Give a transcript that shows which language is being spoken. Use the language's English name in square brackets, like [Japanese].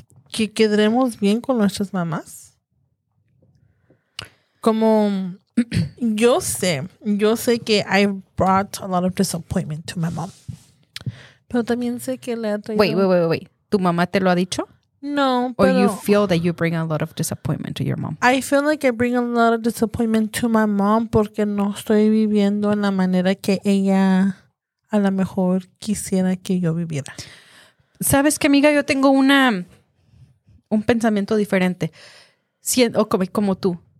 [Spanish] ¿Que quedaremos bien con nuestras mamás? Como, yo sé que [English] I brought a lot of disappointment to my mom. [Spanish] Pero también sé que le ha traído... Wait. ¿Tu mamá te lo ha dicho? No, pero... [English] Or you feel that you bring a lot of disappointment to your mom? I feel like I bring a lot of disappointment to my mom [Spanish] porque no estoy viviendo en la manera que ella a lo mejor quisiera que yo viviera. ¿Sabes qué, amiga? Yo tengo un pensamiento diferente. Como tú.